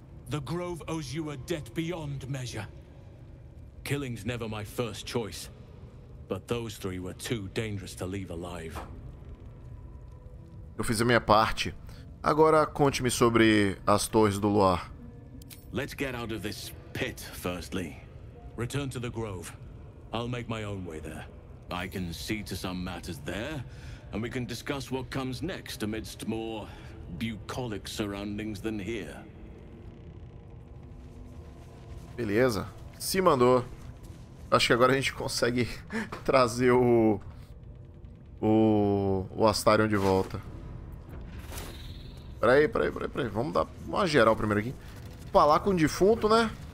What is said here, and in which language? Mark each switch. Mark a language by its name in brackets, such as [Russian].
[English] The Grove owes you a debt beyond measure. Killing's never my first choice, but those three were too dangerous to leave alive. [Portuguese] Eu fiz a minha parte. Agora conte-me sobre as Torres do Luar. [English] Let's get out of this pit, firstly. Return to the Grove. I'll make my own way there. I can see to some matters there. And we can discuss what comes next amidst more bucolic surroundings than here. [Portuguese] Beleza. Se mandou. Acho que agora a gente consegue trazer o Astarion de volta. Peraí. Vamos dar uma geral primeiro aqui. Falar com o defunto, né?